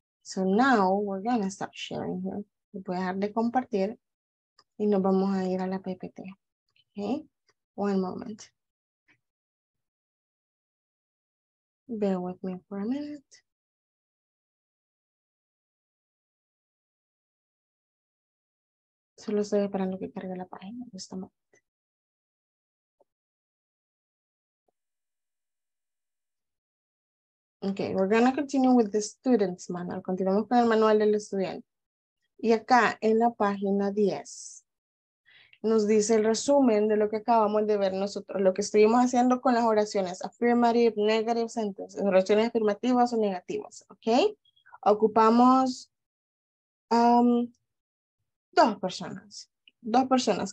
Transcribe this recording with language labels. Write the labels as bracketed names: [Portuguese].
[English] So now we're going to stop sharing here. [Spanish] Voy a dejar de compartir y nos vamos a ir a la PPT. [English] Okay. One moment. Bear with me for a minute. [Spanish] Solo estoy esperando que cargue la página en este momento. [English] Okay, we're going to continue with the student's manual. [Spanish] Continuamos con el manual del estudiante. Y acá en la página 10 nos dice el resumen de lo que acabamos de ver nosotros, lo que estuvimos haciendo con las oraciones [English] affirmative, negative sentences, [Spanish] oraciones afirmativas o negativas, okay? Ocupamos dos personas.